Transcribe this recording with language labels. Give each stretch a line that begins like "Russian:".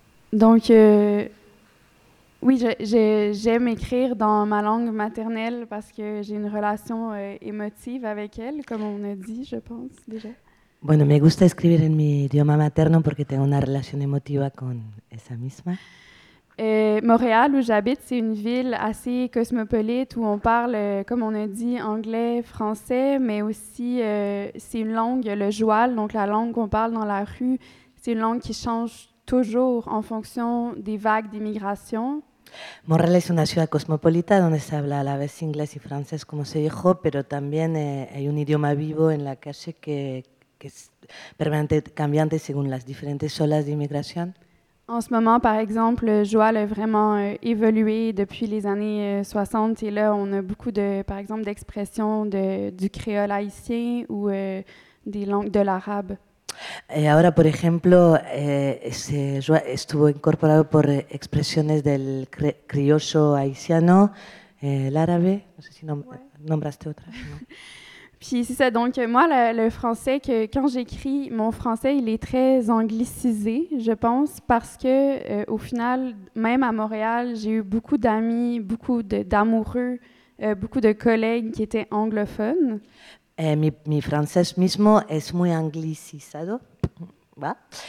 French: Donc, oui, j'aime écrire dans ma langue maternelle parce que j'ai une relation émotive avec elle, comme on a dit, je pense, déjà.
Spanish: Bueno, me gusta escribir en mi idioma materno porque tengo una relación emotiva con esa misma.
French: Et Montréal, où j'habite, c'est une ville assez cosmopolite où on parle, comme on a dit, anglais, français, mais aussi c'est une langue, le joual, donc la langue qu'on parle dans la rue, c'est une langue qui change toujours en fonction des vagues d'immigration.
Spanish: Montréal es una ciudad cosmopolita donde se habla a la vez inglés y francés, como se dijo, pero también hay un idioma vivo en la calle que es permanente, cambiante según las diferentes olas
French: d'immigration. En ce moment, par exemple, le joual a vraiment évolué depuis les années 60. Et là, on a beaucoup, de, par exemple, d'expressions du créole haïtien ou des langues de l'arabe.
Spanish: Et ahora, por ejemplo, ese joual estuvo incorporado por expresiones del criollo haïtiano, l'arabe. No sé si nombraste otra.
French: Puis c'est ça, donc moi, le français, que quand j'écris mon français, il est très anglicisé, je pense, parce que au final, même à Montréal, j'ai eu beaucoup d'amis, beaucoup d'amoureux, beaucoup de collègues qui étaient anglophones.
Spanish: Mi francés mismo es muy anglicizado, ¿va?